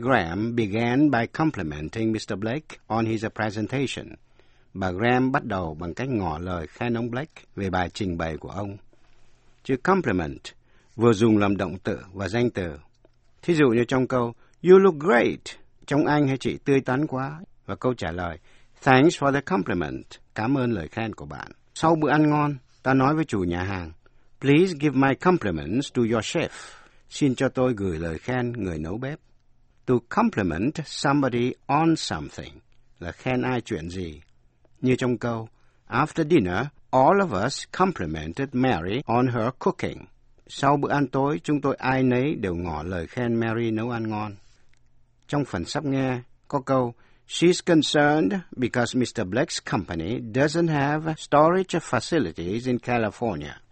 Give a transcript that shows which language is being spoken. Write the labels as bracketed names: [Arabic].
[English] Graham began by complimenting Mr. Blake on his presentation. [Vietnamese] Bà Graham bắt đầu bằng cách ngỏ lời khen ông Blake về bài trình bày của ông. Chữ compliment vừa dùng làm động từ và danh từ. Thí dụ như trong câu [English] You look great, [Vietnamese] trông anh hay chị tươi tắn quá. Và câu trả lời [English] Thanks for the compliment, [Vietnamese] cảm ơn lời khen của bạn. Sau bữa ăn ngon, ta nói với chủ nhà hàng [English] Please give my compliments to your chef. [Vietnamese] Xin cho tôi gửi lời khen người nấu bếp. [English] To compliment somebody on something [Vietnamese] là khen ai chuyện gì. Như trong câu, [English] After dinner, all of us complimented Mary on her cooking. [Vietnamese] Sau bữa ăn tối, chúng tôi ai nấy đều ngỏ lời khen Mary nấu ăn ngon. Trong phần sắp nghe, có câu, [English] She's concerned because Mr. Blake's company doesn't have storage facilities in California.